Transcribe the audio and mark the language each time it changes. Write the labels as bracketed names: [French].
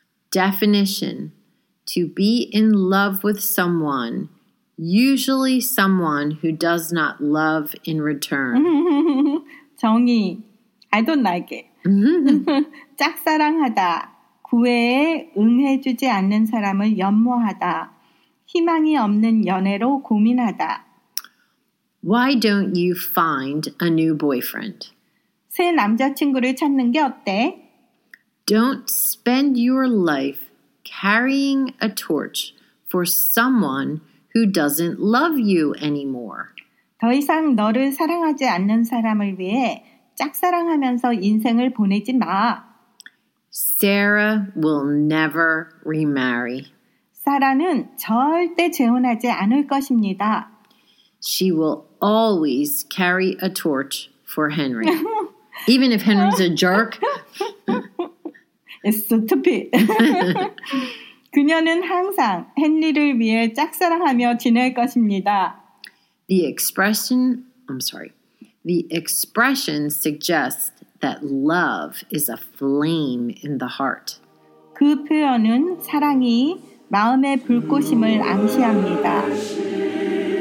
[English] Definition, to be in love with someone, usually someone who does not love in return. 정의, I don't like it. [Korean] 짝사랑하다, 구애에 응해주지 않는 사람을 연모하다, 희망이 없는 연애로 고민하다. [English] Why don't you find a new boyfriend? [Korean] 새 남자친구를 찾는 게 어때? [English] Don't spend your life carrying a torch for someone who doesn't love you anymore. [Korean] 더 이상 너를 사랑하지 않는 사람을 위해 짝사랑하면서 인생을 보내지 마. [English] Sarah will never remarry. [Korean] 사라는 절대 재혼하지 않을 것입니다. [English] She will always carry a torch for Henry. Even if Henry's a jerk. It's stupid. [Korean] 그녀는 항상 헨리를 위해 짝사랑하며 지낼 것입니다. [English] The expression suggests that love is a flame in the heart. [Korean] 그 표현은 사랑이 마음의 불꽃임을 암시합니다.